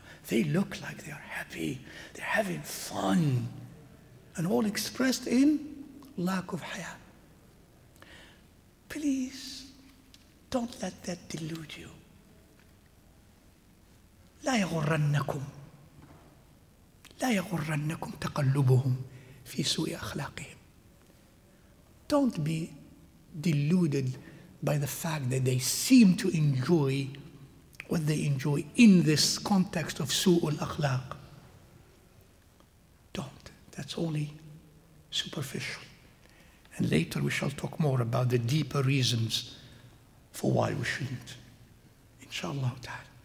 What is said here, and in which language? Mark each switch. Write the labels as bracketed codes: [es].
[en] They look like they are happy. They're having fun. And all expressed in lack of haya. Please, don't let that delude you. [ar] لا يغرنكم. لا يغرنكم تقلبهم في سوء أخلاقهم. [en] Don't be deluded by the fact that they seem to enjoy what they enjoy in this context of su'ul akhlaq. Don't. That's only superficial. And later we shall talk more about the deeper reasons for why we shouldn't. Inshallah ta'ala.